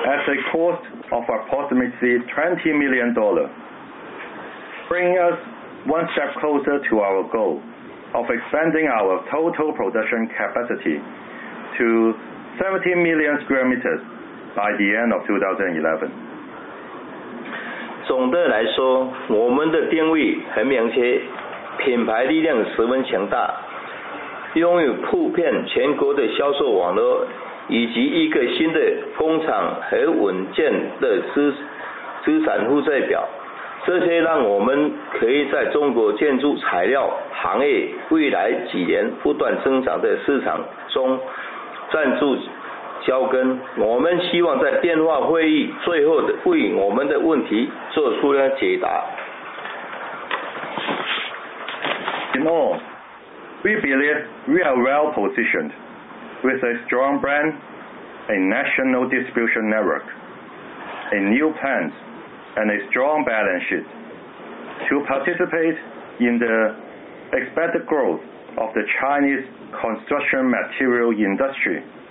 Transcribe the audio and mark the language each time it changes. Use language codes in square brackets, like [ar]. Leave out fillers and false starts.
[en] at a cost of approximately $20 million, bringing us one step closer to our goal of expanding our total production capacity to 70 million square meters by the end of 2011. [zh] 总的来说，我们的定位很明确，品牌力量十分强大，拥有普遍全国的销售网络，以及一个新的工厂和稳健的资产负债表，这些让我们可以在中国建筑材料行业未来几年不断增长的市场中站住脚跟。我们希望在电话会议最后的为我们的问题做出了解答。 [en] In all, we believe we are well positioned with a strong brand, a national distribution network, a new plant, and a strong balance sheet to participate in the expected growth of the Chinese construction material industry.